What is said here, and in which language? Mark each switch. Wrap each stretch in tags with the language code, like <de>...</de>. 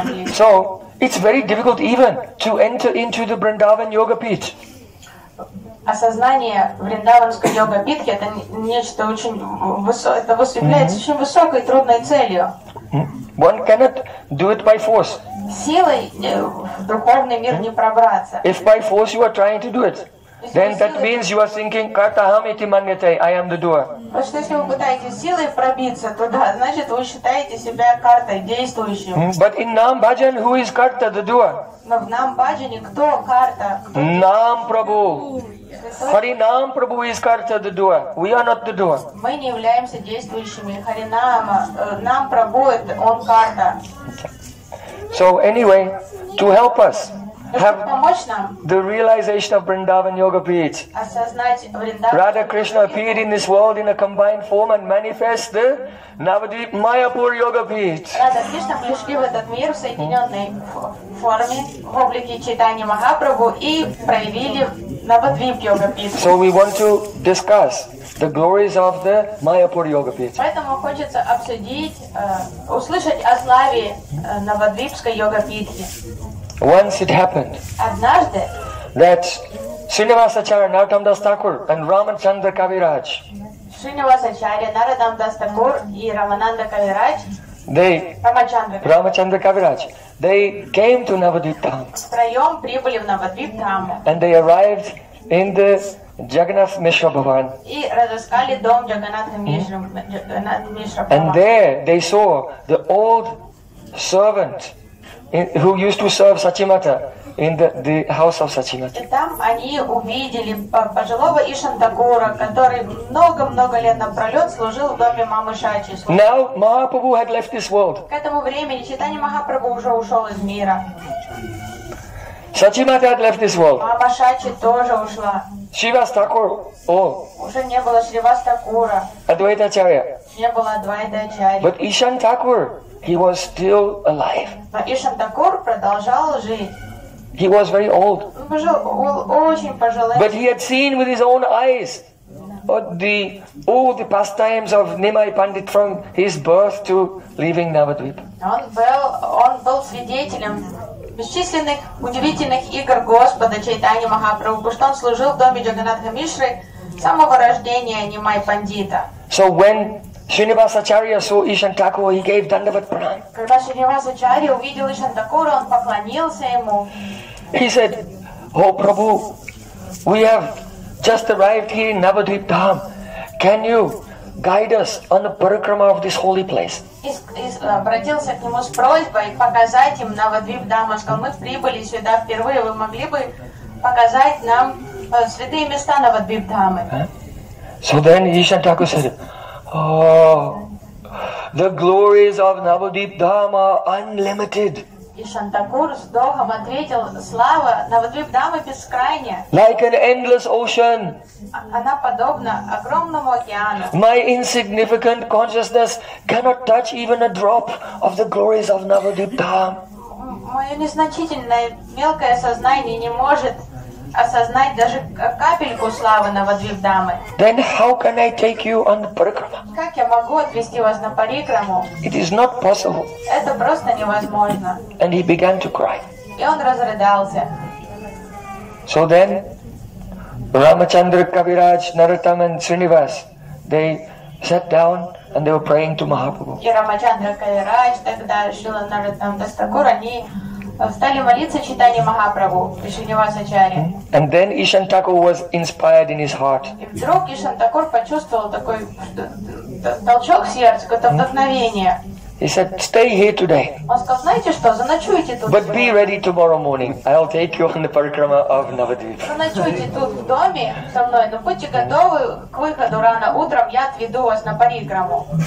<en>So, it's very difficult even to enter into the Vrindavan Yoga Pit.</en> <ru>Осознание Вриндаванской йога питхи это нечто очень высокое, это является mm-hmm. очень высокой и трудной целью.</ru> <en>One cannot do it by force.</en> <ru>Силой в духовный мир не пробраться.</ru> <en>If by force you are trying to do it, then that means you are thinking</en> <sa>Kartaham iti manyate,</sa> <en>I am the doer.</en> <ru>Потому что если вы пытаетесь силой пробиться туда, значит вы считаете себя картой действующим.</ru> <en>But in Nam Bhajan, who is Karta, the doer?</en> <ru>Но в Нам Бхаджане кто Карта?</ru> <en>Нам Прабху. Хари Нам Прабху is Карта, the doer. We are not the doer.</en> <ru>Мы не являемся действующими. Хари Нам, Нам Прабху, он Карта.</ru> <en>So anyway, to help us have the realization of Vrindavan Yoga Peet. Radha Krishna appeared in this world in a combined form and manifest the Navadvip Mayapur Yoga Peet.</en> <ru>Radha Krishna пришли в этот мир в соединенной форме, в облике Чайтаньи Махапрабху и проявили Навадвип Йога Пит.</ru> <en>So we want to discuss the glories of the Mayapur Yoga Peet.</en> <ru>Поэтому хочется обсудить, услышать о славе Навадвипской Йога Питхи.</ru> <en>Once it happened</en> <ru>однажды,</ru> <en>that Srinivas Acharya Narottam Das Thakur and Ramachandra Kaviraj, they came to Navadvip Dham.</en> <ru>Втроем прибыли в Навадвип Дхам.</ru> <en>And they arrived in the Jagannath Mishra Bhavan.</en> <ru>И разыскали дом Джаганнатха Мишра.</ru> <en>And there they saw the old servant who used to serve Sachimata in the house of Sachimata.</en> <ru>И там они увидели пожилого Ишан Такура, который много-много лет напролет служил в доме мамы Шачи.</ru> <en>Now Mahaprabhu had left this world.</en> <ru>К этому времени Чайтанья Махапрабху уже ушел из мира.</ru> <en>Sachimata had left this world.</en> <ru>Мама Шачи тоже ушла. Шривас Такур, уже не было Шривас Такура. Адвайта Ачарья. Не было Адвайта Ачарья.</ru> <en>But Ishan Thakur, he was still alive.</en> <ru>Ишан Такур продолжал жить.</ru> <en>He was very old.</en> <ru>Очень пожилый.</ru> <en>But he had seen with his own eyes all the pastimes of Nimai Pandit from his birth to leaving Navadvip.</en> <ru>Он был свидетелем бесчисленных удивительных игр Господа Чайтаньи Махапрабху, потому что он служил в доме Джаганнатха Мишры с самого рождения Нимай Пандита.</ru> <en>So when Srinivas Acharya saw Ishan Thakur, he gave Dandavat Pranam.</en> <ru>Когда Srinivas Acharya увидел Ishan Thakur, он поклонился ему.</ru> <en>He said, "Oh Prabhu, we have just arrived here in Navadvip Dham. Can you guide us on the parikrama of this holy place?"</en> <ru>Обратился к нему с просьбой показать им Навадвип Дхам. Он сказал, мы прибыли сюда впервые, вы могли бы показать нам святые места Навадвип Дхамы.</ru> <en>So then Ishan Thakur said, "Oh, the glories of Navadvip Dham are unlimited."</en> <ru>Ishan Thakur с вздохом ответил, слава Навадвип Дхамы бескрайняя.</ru> <en>Like an endless ocean,</en> <ru>она подобна огромному океану.</ru> <en>My insignificant consciousness cannot touch even a drop of the glories of Navadvipa.</en> <ru>Мое незначительное мелкое сознание не может осознать даже капельку славы Навадвипдамы.</ru> <en>Then how can I take you on parikrama?</en> <ru>Как я могу отвести вас на парикраму?</ru> <en>It is not possible.</en> <ru>Это просто невозможно.</ru> <en>And he began to cry.</en> <ru>И он разрыдался.</ru> <en>So then Ramachandra, Kaviraj, Narottam and Srinivas, they sat down and they were praying to Mahaprabhu.</en> <ru>И Рамачандра, Кавирадж, тогда Шрила Нараттам Дас Такур, они стали молиться читанию Махапрабху, Шринивас Ачарья.</ru> <en>And then Ishan Thakur was inspired in his heart.</en> <ru>И вдруг Ishan Thakur почувствовал такой толчок в сердце, какое-то вдохновение.</ru> <en>He said, stay here today.</en> <ru>Он сказал, знаете что, заночуйте тут.</ru> <en>But be ready tomorrow morning. I'll take you on the parikrama of Navadvipa.</en> <ru>Заночуйте тут в доме со мной, но будьте готовы к выходу рано утром, я отведу вас на парикраму.</ru>